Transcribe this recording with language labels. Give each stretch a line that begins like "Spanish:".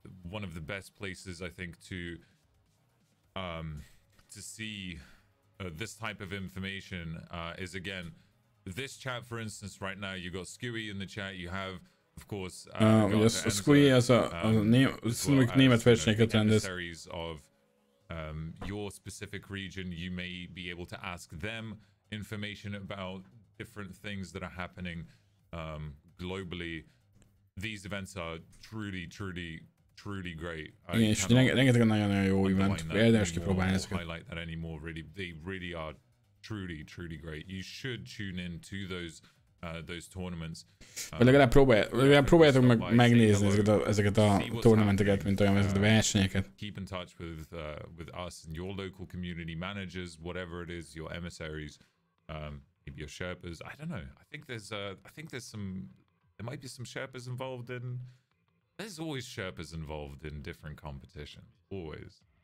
English: One of the best places I think to see this type of information is again this chat, for instance, right now. You got Skui in the chat. You have, of course,
Hungarian: a Skui as a német versenyeket rendez.
English: Series of your specific region. You may be able to ask them information about different things that are happening globally. These events are truly, truly, truly great. I can't highlight that anymore. Really, they really are. Truly, truly great. You should tune in to those those tournaments.
Hungarian: Vagy legalább próbáljátok meg megnézni ezeket a tournamenteket, mint olyan ezeket a versenyeket.
English: Keep in touch with us and your local community managers, whatever it is, your emissaries, maybe your Sherpas. I don't know. I think there might be some Sherpas involved in. There's always Sherpas involved in different competitions. Always.